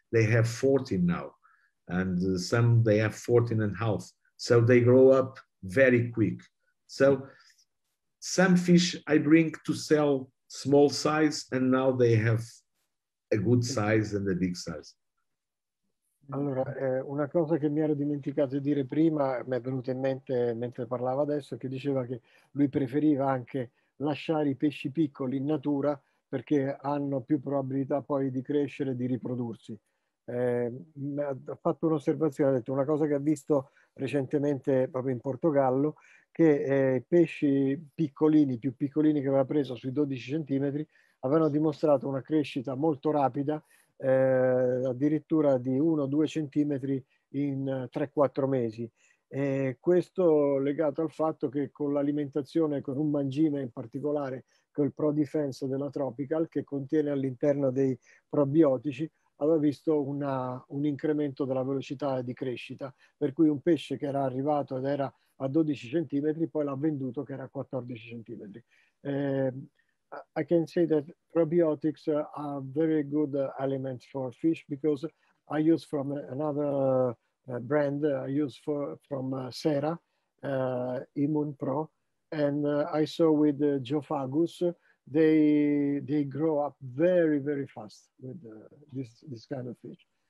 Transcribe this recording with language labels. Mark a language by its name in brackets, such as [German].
[English] They have 14 now, and some they have 14 and a half. So they grow up very quick. So some fish I bring to sell small size, and now they have a good size and a big size. [Italian] Allora, una cosa che mi ero dimenticato di dire prima, mi è venuta in mente mentre parlava adesso, che diceva che lui preferiva anche lasciare i pesci piccoli in natura perché hanno più probabilità poi di crescere e di riprodursi. Ha fatto un'osservazione, ha detto una cosa che ha visto recentemente proprio in Portogallo, che i pesci piccolini, più piccolini che aveva preso sui 12 centimetri, avevano dimostrato una crescita molto rapida, addirittura di 1-2 centimetri in 3-4 mesi. Questo legato al fatto che con l'alimentazione, con un mangime in particolare, col Pro Defense della Tropical, che contiene all'interno dei probiotici, aveva visto un incremento della velocità di crescita, per cui un pesce che era arrivato ed era a 12 centimetri, poi l'ha venduto che era a 14 centimetri. [English] I can say that probiotics are very good element for fish because I use from another brand, I use from Sera, Immune Pro, and I saw with Geophagus, they grow up very, very fast with this kind of fish.